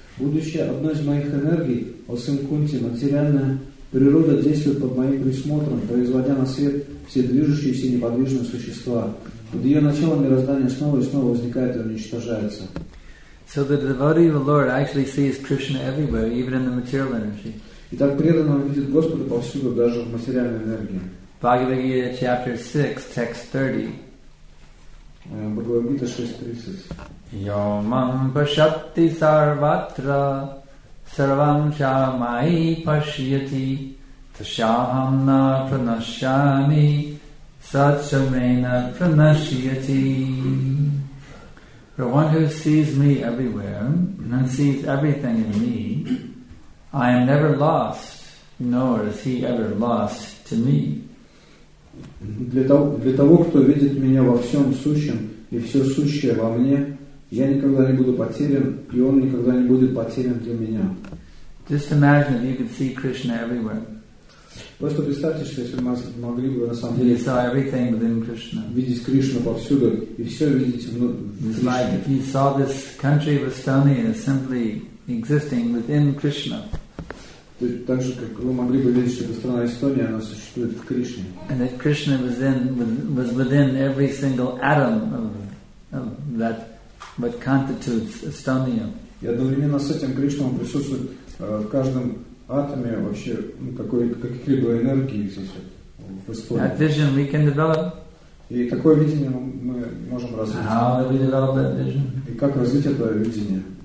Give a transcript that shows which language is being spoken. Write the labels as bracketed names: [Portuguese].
[Russian] Будущее одной из моих энергий, О сын Кунти, материальная природа действует под моим присмотром, производя на свет все движущиеся и неподвижные существа. Под ее началом мироздание снова и снова возникает и уничтожается. [English] So the devotee of the Lord actually sees Krishna everywhere, even in the material energy. [Russian] Итак, преданный видит Господа повсюду, даже в материальной энергии. [English] Bhagavad Gita, chapter 6, text 30. Bhagavad Gita 6:30. [Sanskrit] Yomam pashyati sarvatra sarvam chamai pashyati tashaham na pranashyami satchamena pranashyati. [English] For one who sees me everywhere and sees everything in me, I am never lost, nor is he ever lost to me. [Russian] Для того, кто видит меня во всем сущем и все сущее во мне, я никогда не буду потерян, и он никогда не будет потерян для меня. [English] Just imagine if you could see Krishna everywhere. [Russian] Просто представьте, что если мы могли бы на самом деле [English] saw everything within Krishna. [Russian] Видеть Кришну повсюду и все видеть в Кришне. [English] It's like if you saw this country of Estonia simply existing within Krishna. [Russian] То есть так же, как вы могли бы видеть, что эта страна Эстония, она существует в Кришне. [English] And that Krishna was within every single atom of that what constitutes Estonia. [Russian] И одновременно с этим Кришна присутствует в каждом атоме вообще каких-либо энергии в истории. [English] That vision we can develop. [Russian] И такое видение мы можем развить. [English] How do we develop that vision? [Russian] И как развить это видение?